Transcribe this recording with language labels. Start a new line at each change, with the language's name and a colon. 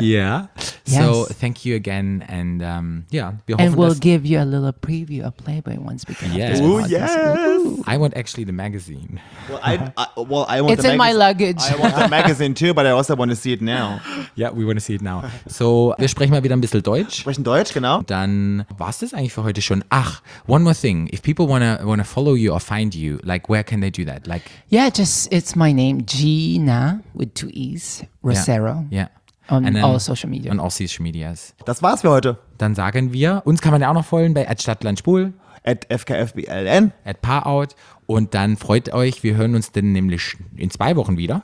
English: Yeah. Yes. So thank you again. And yeah. And we'll give you a little preview of Playboy once we get yes. Oh, yes. I want actually the magazine. Well, I want it's in my luggage. I want the magazine too, but I also want to see it now. Yeah, we want to see it now.
German: So wir sprechen mal wieder ein bisschen Deutsch. Sprechen Deutsch, genau. Dann war es das eigentlich für heute schon.
English: Ach, one more thing. If people wanna follow you or find you, like, where can they do that? Like, yeah, just, it's my name, Gina, with two E's, Rosero. Yeah. On all social media. On all social medias.
German: Das war's für heute. Dann sagen wir, uns kann man ja auch noch folgen bei @stadtlandspul. @fkfbln. @parout. Und dann freut euch, wir hören uns denn nämlich in 2 Wochen wieder.